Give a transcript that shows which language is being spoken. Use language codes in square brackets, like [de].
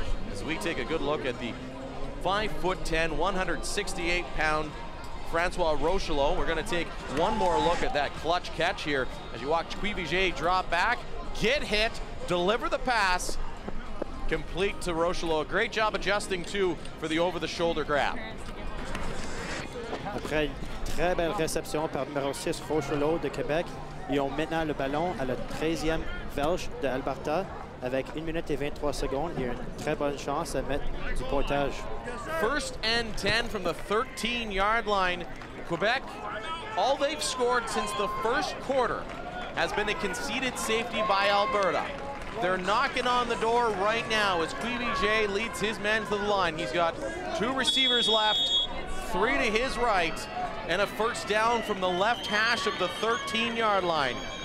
[en] As we take a good look at the 5'10", 168-pound Francois Rocheleau, we're going to take one more look at that clutch catch here as you watch Cuivige drop back, get hit, deliver the pass, complete to Rocheleau. A great job adjusting too for the over-the-shoulder grab. Okay. [fr] Très belle réception par numéro 6 Rocheleau de Québec. Ils ont maintenant le ballon à la 13e verge de Alberta avec 1 minute et 23 secondes. Il y a une très bonne chance à mettre du pointage. [en] First and 10 from the 13-yard line. Quebec, all they've scored since the first quarter has been a conceded safety by Alberta. They're knocking on the door right now as Cuivige leads his men to the line. He's got two receivers left, three to his right, and a first down from the left hash of the 13-yard line.